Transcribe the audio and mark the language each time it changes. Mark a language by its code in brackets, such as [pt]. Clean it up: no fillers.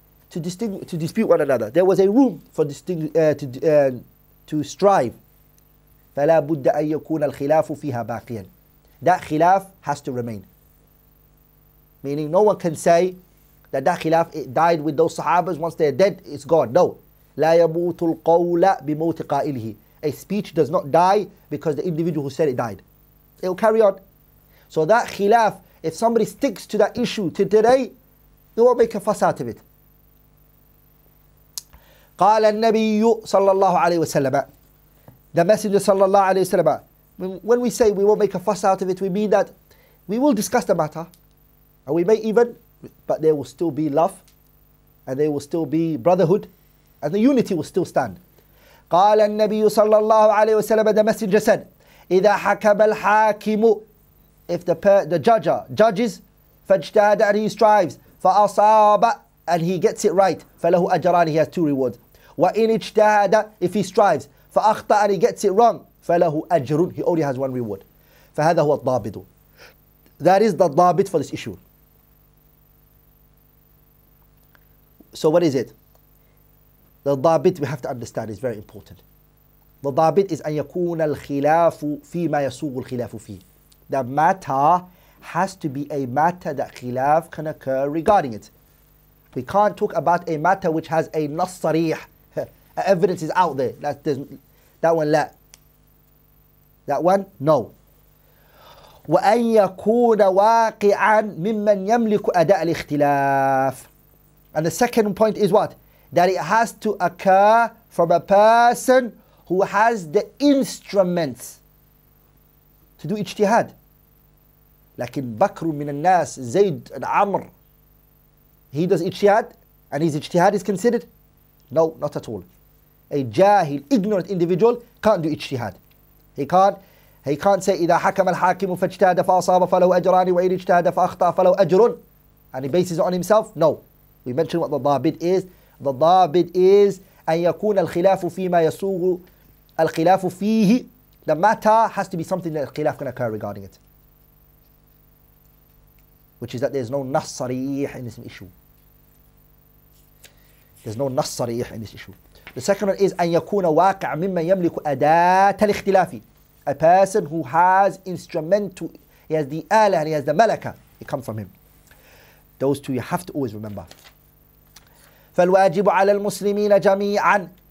[en] To dispute one another. There was a room for to strive. [ar] فَلَا بُدَّ أَن يَكُونَ الْخِلَافُ فِيهَا بَاقِيًا. [en] That khilaf has to remain. Meaning no one can say that khilaf, it died with those Sahabas, once they're dead, it's gone. No. [ar] لا يموت القول بموت قائله. [en] A speech does not die because the individual who said it died. It will carry on. So that khilaf, if somebody sticks to that issue to today, they won't make a fuss out of it. [ar] قال النبي صلى الله عليه وسلم. [en] The Messenger [ar] صلى الله عليه وسلم. [en] When we say we won't make a fuss out of it, we mean that we will discuss the matter. And we may even, but there will still be love and there will still be brotherhood and the unity will still stand. [ar] قال النبي صلى الله عليه وسلم. [en] The Messenger said, [ar] إذا حكم الحاكم. [en] If the judges, [ar] فاجتهد, [en] and he strives, [ar] فأصاب, [en] and he gets it right, [ar] فله أجران, [en] he has two rewards. [ar] وإن اجتهد, [en] if he strives, [ar] فأخطأ, [en] and he gets it wrong, [ar] فله أجر, [en] he only has one reward. [ar] فهذا هو الضابط. [en] That is the ضابط for this issue. So what is it? The ضابط, we have to understand, is very important. The ضابط is [ar] أن يكون الخلاف فيما يسوغ الخلاف فيه. [en] The matter has to be a matter that khilaf can occur regarding it. We can't talk about a matter which has a nas sarih. Evidence is out there. That one, no. [ar] وَأَنْ يَكُونَ وَاقِعًا مِمَّنْ يَمْلِكُ أَدَاءَ الْإِخْتِلَافِ. [en] And the second point is what? That it has to occur from a person who has the instruments to do ijtihad. [ar] لكن بكر من الناس زيد العمر. [en] He does ijtihad and his ijtihad is considered? No, not at all. A jahil, ignorant individual can't do ijtihad. He can't say, [ar] إذا حكم الحاكم فاجتهد فأصاب فله أجران وإن اجتهد فأخطأ فله أجر. [en] And he bases it on himself? No. We mentioned what the ضابط is. The ضابط is [ar] أن يكون الخلاف فيما يسوغ الخلاف فيه. [en] The matter has to be something that الخلاف can occur regarding it. Which is that there's no نص صريح in this issue. There's no نص صريح in this issue. The second one is [ar] أن يكون واقع ممن يملك أداة الاختلاف. [en] A person who has instrumental, he has the آلة and he has the ملكة. It comes from him. Those two you have to always remember. [ar] فالواجب على المسلمين جميعا.